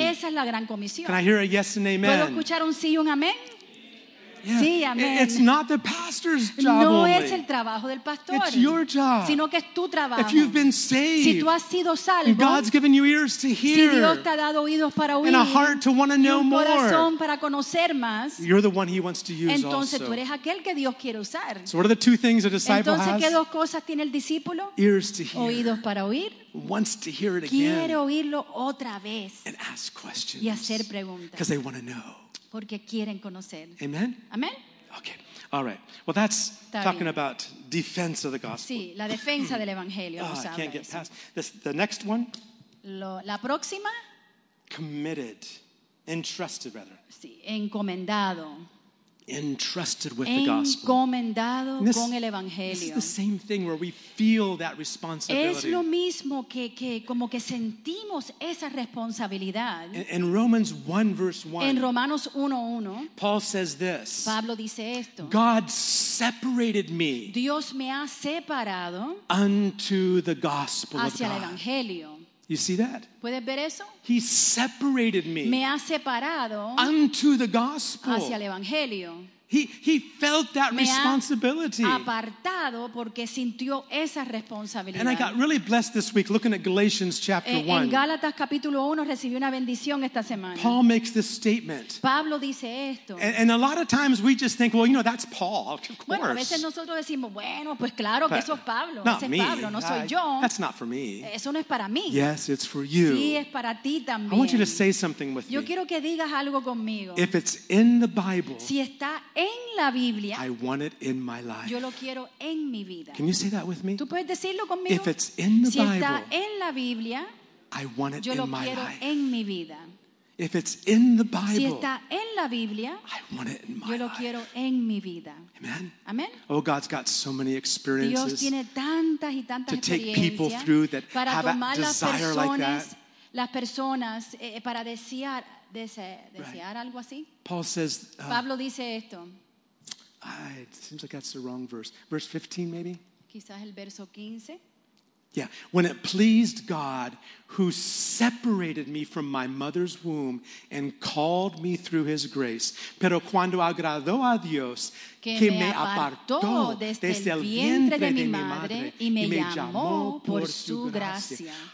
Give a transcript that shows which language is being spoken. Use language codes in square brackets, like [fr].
[es] Esa es la gran comisión. [en] Can I hear a yes and amen? [es] ¿Puedo escuchar un sí y un amén? [en] Yeah. [es] Sí, amén. [en] It's not the pastor's job [es] no [en] only. [es] Es el trabajo del pastor. [en] It's your job. [es] Sino que es tu trabajo. [en] If you've been saved, [es] si tú has sido salvo, [en] and God's given you ears to hear, [es] si Dios te ha dado oídos para oír, [en] and a heart to want to know more, [es] y un corazón para conocer más, [en] you're the one he wants to use [es] entonces [en] also. [es] Tú eres aquel que Dios quiere usar. [en] So what are the two things a disciple [es] entonces, [en] has? [es] ¿Qué dos cosas tiene el discípulo? [en] Ears to hear. [es] Oídos para oír. [en] Wants to hear it again. [es] Quiere oírlo otra vez. [en] And ask questions. [es] Y hacer preguntas. [en] Because they want to know. [es] Porque quieren conocer. [en] Amen. [es] Amen. [en] Okay. All right. Well, that's talking about defense of the gospel. [es] Sí, la defensa del evangelio. [en] Oh, I can't get past this. The next one. [es] La próxima. [en] Committed, entrusted, rather. [es] Sí, encomendado. [en] Entrusted with [es] encomendado [en] the gospel. [es] Con el evangelio. [en] This is the same thing where we feel that responsibility. [es] Es lo mismo que como que sentimos esa responsabilidad. [en] In Romans 1 verse 1. [es] En Romanos 1:1. [en] Paul says this. [es] Pablo dice esto. [en] God separated me. [es] Dios me ha separado. [en] Unto the gospel [es] hacia [en] of God. [es] El evangelio. [en] You see that? [es] ¿Puedes ver eso? [en] He separated me. [es] Me ha separado. [en] Unto the gospel. [es] Hacia el evangelio. [en] He felt that responsibility. [es] Me ha apartado porque sintió esa responsabilidad. [en] And I got really blessed this week looking at Galatians chapter 1. [es] En Gálatas capítulo 1 recibí una bendición esta semana. [en] Paul makes this statement. [es] Pablo dice esto. [en] And a lot of times we just think, well, you know, that's Paul, of course. [es] Bueno, a veces nosotros decimos, bueno, pues claro que eso es Pablo. Ese es Pablo, no soy yo. [en] That's not for me. [es] Eso no es para mí. [en] Yes, it's for you. [es] Sí, es para ti también. [en] I want you to say something with [es] yo [en] me. [es] Yo quiero que digas algo conmigo. [en] If it's in the Bible. [es] Si está en la Biblia, [en] I want it in my life. [es] Yo lo quiero en mi vida. [en] Can you say that with me? [es] ¿Tú puedes decirlo conmigo? [en] If it's in the [es] si está [en] Bible, [es] en la Biblia, [en] I want it [es] yo lo [en] in my [es] quiero [en] life. [es] En mi vida. [en] If it's in the Bible, [es] si está en la Biblia, [en] I want it in my [es] yo lo [en] life. [es] Quiero en mi vida. [en] Amen. [es] Amen. [en] Oh, God's got so many experiences [es] Dios tiene tantas y tantas [en] to take people through that [es] para [en] have [es] tomar [en] a desire [es] personas, [en] like that. [es] Las personas para desear. Desear right. Algo así. [en] Paul says, [es] Pablo dice esto. [en] It seems like that's the wrong verse. Verse 15, maybe? [es] Quizás el verso 15. [en] Yeah, when it pleased God who separated me from my mother's womb and called me through his grace. [es] Pero cuando agradó a Dios que me apartó desde el vientre de mi madre y me llamó por su gracia.